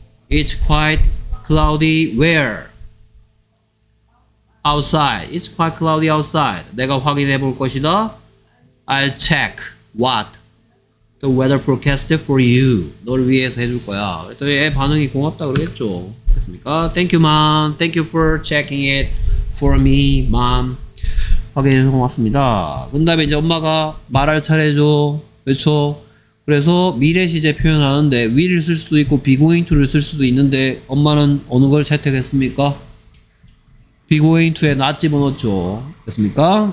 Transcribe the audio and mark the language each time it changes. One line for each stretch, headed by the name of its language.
English: It's quite cloudy where? Outside. It's quite cloudy outside.
Korean: 내가 확인해 볼 것이다.
English: I'll check what? The weather forecast for you.
Korean: 너를 위해서 해줄 거야. 그랬더니 애 반응이 고맙다 그러겠죠. 됐습니까?
English: Thank you, mom. Thank you for checking it for me, mom.
Korean: 확인해 주셔서 고맙습니다. 그 다음에 이제 엄마가 말할 차례죠. 그렇죠? 그래서 미래 시제 표현하는데 will 쓸 수도 있고 be going to를 쓸 수도 있는데 엄마는 어느 걸 채택했습니까? be going to에 not 집어넣었죠. 됐습니까?